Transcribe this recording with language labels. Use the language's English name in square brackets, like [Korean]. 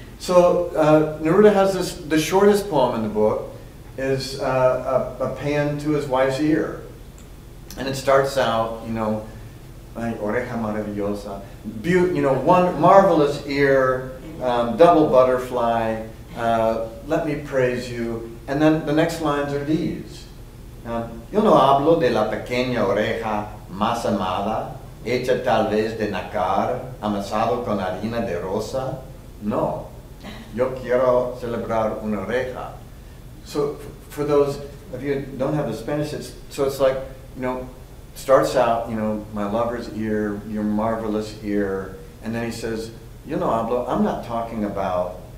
[English] So Neruda has the shortest poem in the book is a pan to his wife's ear. And it starts out, you know, my [Spanish] oreja maravillosa, [English] one marvelous ear, double butterfly, let me praise you. And then the next lines are these. [Spanish] Yo no hablo de la pequeña oreja más amada, hecha tal vez de nácar, amasado con harina de rosa. No. Yo quiero celebrar una oreja. [English] So for those of you who don't have the Spanish, it's like, you know, starts out, you know, my lover's ear, your marvelous ear, and then he says, you know, I'm not talking about